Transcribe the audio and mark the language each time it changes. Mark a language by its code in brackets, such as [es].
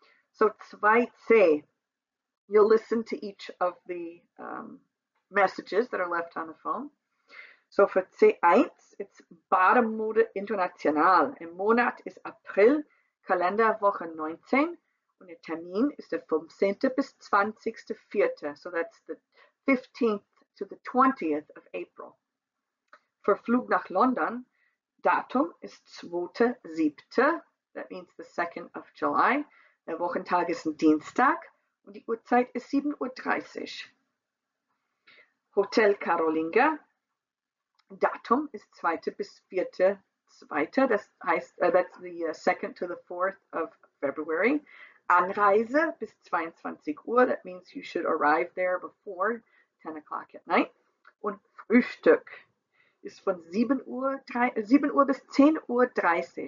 [en] So 2c, you'll listen to each of the messages that are left on the phone. So for C1, it's Bademode International. [de] Im Monat ist April, Kalenderwoche 19 und der Termin ist der 15. bis 20.4. [en] So that's the 15th to the 20th of April. For [de] Flug nach London, Datum ist 2.7. [en] That means the 2nd of July. [de] Der Wochentag ist ein Dienstag und die Uhrzeit ist 7.30 Uhr. Hotel Karolinger. Datum ist 2. bis 4. 2. Das heißt, [en] that's the 2nd to the 4th of February. [de] Anreise bis 22 Uhr. [en] That means you should arrive there before 10 o'clock at night. [de] Und Frühstück ist von 7 Uhr bis 10.30 Uhr.